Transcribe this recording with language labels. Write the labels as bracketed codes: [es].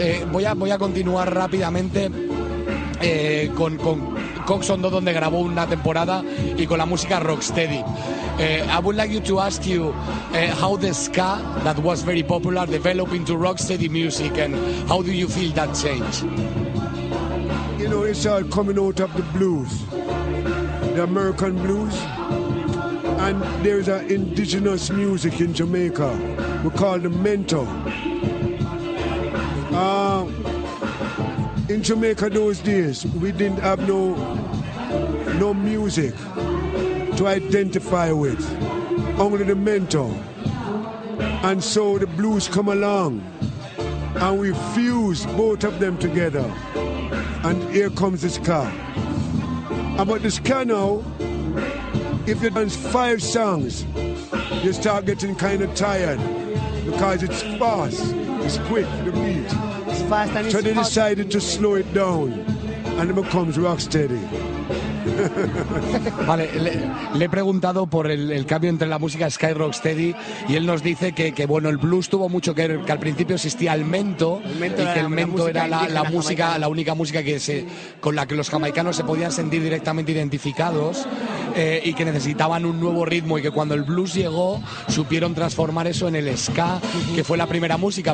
[es] Voy a continuar rápidamente con Coxon Dodd, donde grabó una temporada, y con la música rocksteady. [en] I would like you to ask you how the ska that was very popular developed into rocksteady music, and how do you feel that change? You know, it's all coming out of the blues, the American blues. And there's an indigenous music in Jamaica. We call the mento. In Jamaica those days, we didn't have no music to identify with, only the mento. And so the blues come along, and we fuse both of them together. And here comes the ska. About the ska now, if you dance five songs, you start getting kind of tired because it's fast, it's quick, the beat. It's fast and it's so they decided to slow it down, and it becomes rock steady. [es] Vale, le he preguntado por el cambio entre la música ska y rocksteady y él nos dice que bueno, el blues tuvo mucho que ver, que al principio existía el mento y que el mento era la música, la única música con la que los jamaicanos se podían sentir directamente identificados, y que necesitaban un nuevo ritmo, y que cuando el blues llegó supieron transformar eso en el ska, que fue la primera música.